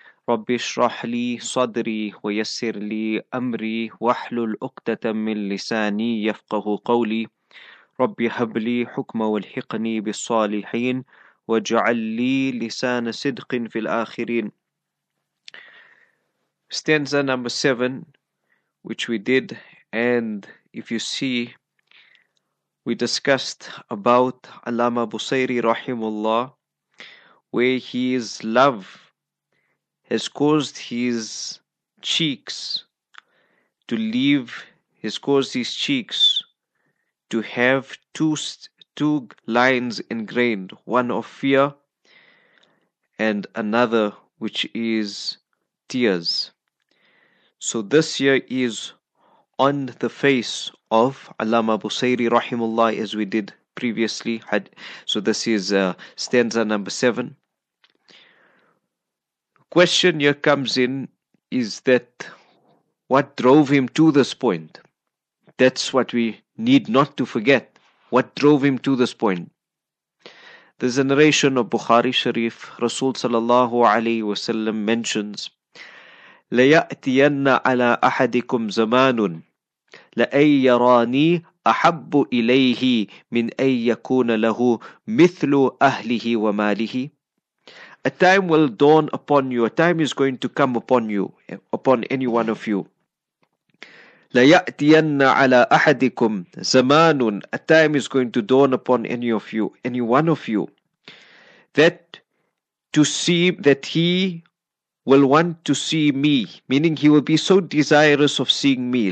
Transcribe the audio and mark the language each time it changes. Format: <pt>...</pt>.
<ar>رب اشرح لي صدري ويسر لي أمري واحلل عقدة من لساني يفقه قولي. رب هب لي حكما والحقني بالصالحين واجعل لي لسان صدق في الآخرين.</ar> <en>Stanza number 7, which we did, and if you see, we discussed about Allama Busairi rahimullah, where his love has caused his cheeks to leave, has caused his cheeks to have two lines ingrained, one of fear and another which is tears. So this year is on the face of Allama Busairi rahimullah, as we did previously. So this is stanza number 7. Question here comes in is that what drove him to this point? That's what we need not to forget. What drove him to this point? There's a narration of Bukhari Sharif. Rasul sallallahu alayhi wasallam mentions,</en> <ar>لَيَأْتِيَنَّ عَلَىٰ أَحَدِكُمْ زَمَانٌ لَأَنْ يَرَانِي أَحَبُّ إِلَيْهِ مِنْ أَنْ يَكُونَ لَهُ مِثْلُ أَهْلِهِ وَمَالِهِ.</ar> <en>A time will dawn upon you, a time is going to come upon you, upon any one of you.</en> <ar>لَيَأْتِيَنَّ عَلَىٰ أَحَدِكُمْ زَمَانٌ,</ar> <en>a time is going to dawn upon any of you, any one of you, that to see that he will want to see me, meaning he will be so desirous of seeing me.</en>